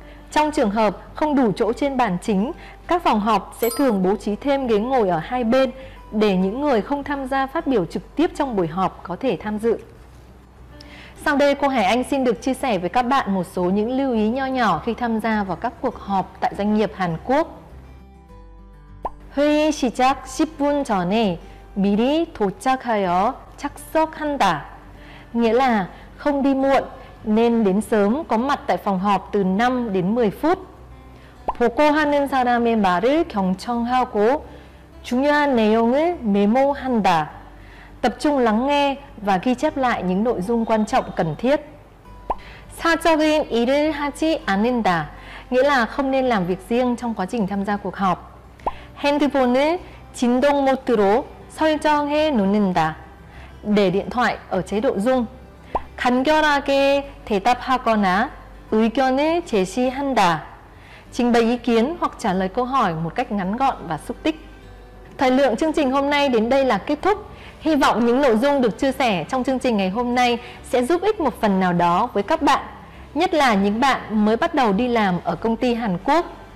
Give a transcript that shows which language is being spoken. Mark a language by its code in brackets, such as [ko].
[vi] Trong trường hợp không đủ chỗ trên bàn chính, các phòng họp sẽ thường bố trí thêm ghế ngồi ở hai bên để những người không tham gia phát biểu trực tiếp trong buổi họp có thể tham dự. Sau đây cô Hải Anh xin được chia sẻ với các bạn một số những lưu ý nho nhỏ khi tham gia vào các cuộc họp tại doanh nghiệp Hàn Quốc. [ko] 회의 시작 10분 전에 미리 도착하여 착석한다. [vi] Nghĩa là không đi muộn nên đến sớm có mặt tại phòng họp từ 5 đến 10 phút. [ko] 보고하는 사람의 말을 경청하고 중요한 내용을 메모한다. [vi] Tập trung lắng nghe và ghi chép lại những nội dung quan trọng cần thiết. [ko] 사적인 일을 하지 않는다. [vi] Nghĩa là không nên làm việc riêng trong quá trình tham gia cuộc họp. [ko] 핸드폰을 진동 모드로 설정해 놓는다. [vi] Để điện thoại ở chế độ rung. [ko] 간결하게 대답하거나 의견을 제시한다. [vi] Trình bày ý kiến hoặc trả lời câu hỏi một cách ngắn gọn và súc tích. Thời lượng chương trình hôm nay đến đây là kết thúc. Hy vọng những nội dung được chia sẻ trong chương trình ngày hôm nay sẽ giúp ích một phần nào đó với các bạn, nhất là những bạn mới bắt đầu đi làm ở công ty Hàn Quốc.